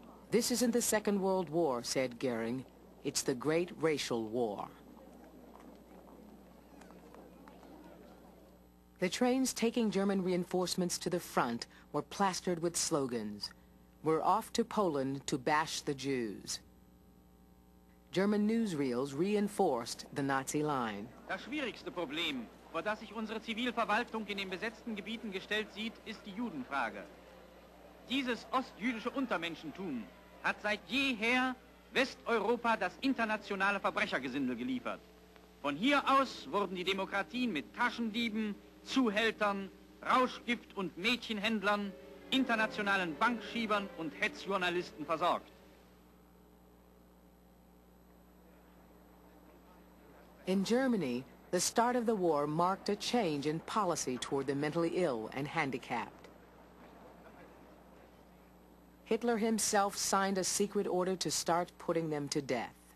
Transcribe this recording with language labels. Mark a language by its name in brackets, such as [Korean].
[English] This isn't the Second World War, said Goering. It's the Great Racial War. The trains taking German reinforcements to the front were plastered with slogans. We're off to Poland to bash the Jews. German newsreels reinforced the Nazi line. [German] Das schwierigste Problem, vor das sich unsere Zivilverwaltung in den besetzten Gebieten gestellt sieht, ist die Judenfrage. Dieses ostjüdische Untermenschentum hat seit jeher Westeuropa das internationale Verbrechergesindel geliefert. Von hier aus wurden die Demokratien mit Taschendieben, Zuhältern, Rauschgift- und Mädchenhändlern, internationalen Bankschiebern und Hetzjournalisten versorgt. [English] In Germany, the start of the war marked a change in policy toward the mentally ill and handicapped. Hitler himself signed a secret order to start putting them to death.